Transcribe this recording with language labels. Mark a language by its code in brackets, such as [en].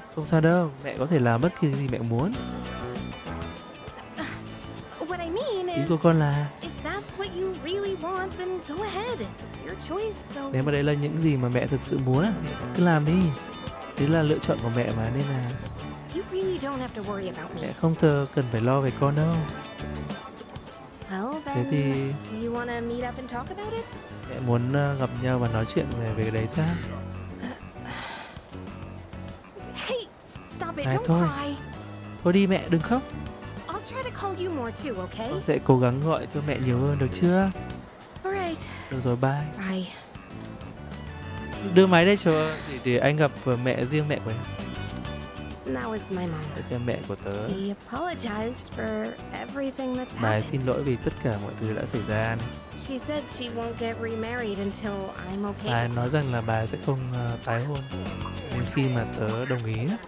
[vi] Không sao đâu, mẹ có thể làm bất kỳ gì mẹ muốn. [en] What I mean is, [vi] ý của con là [en] if that's what you really want, then go ahead. It's your choice. So [vi] nếu mà đây là những gì mà mẹ thực sự muốn á, cứ làm đi. Đấy là lựa chọn của mẹ mà, nên là [en] you really don't have to worry about me. [vi] Mẹ không thờ cần phải lo về con đâu. [en] Well, then, [vi] thế thì [en] you wanna meet up and talk about it? [vi] Mẹ muốn gặp nhau và nói chuyện về cái đấy ra. [en] Hey, stop it! Don't cry. [vi] Thôi đi mẹ, đừng khóc. [en] I'll try to call you more too, okay? [vi] Con sẽ cố gắng gọi cho mẹ nhiều hơn được chưa? [en] All right. [vi] Được rồi, bye. [en] Bye. [vi] Đưa máy đây cho để anh gặp mẹ riêng mẹ của em. [en] That was my mom. [vi] Đây là mẹ của tớ. [en] He apologized for everything that's happened. [vi] Bà ấy xin lỗi vì tất cả mọi thứ đã xảy ra. [en] She said she won't get remarried until I'm okay. [vi] Bà ấy nói rằng là bà ấy sẽ không tái hôn đến khi mà tớ đồng ý.